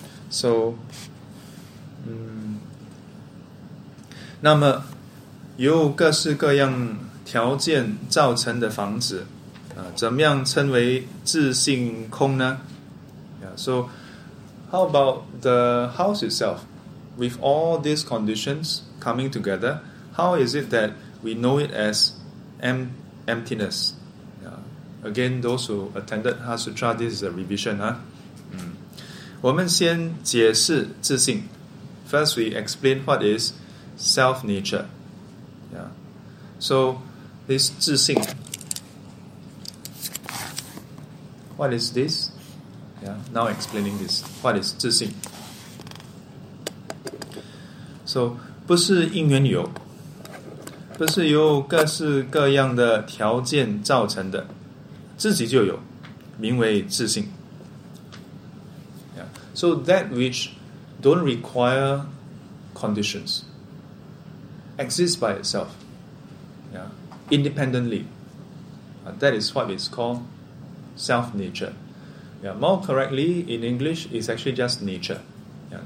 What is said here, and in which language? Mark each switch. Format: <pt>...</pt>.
<zh>So, 那么有各式各样条件造成的房子, 怎么样称为自性空呢?</zh> <en>Yeah, so, how about the house itself? With all these conditions coming together, how is it that we know it as emptiness? Again, those who attended Ha Sutra, this is a revision.</en> <zh>Huh? Mm. 我们先解释自性.</zh> <en>First, we explain what is self-nature. Yeah. So, this 自性, what is this? Yeah. Now explaining this. What is 自性?</en> <zh>So, 不是因缘有, 不是由各式各样的条件造成的, 自己就有, 名为自信.</zh> <en>Yeah. So, that which don't require conditions, exists by itself, yeah, independently, that is what is called self-nature. Yeah. More correctly, in English, it's actually just nature. Yeah.</en>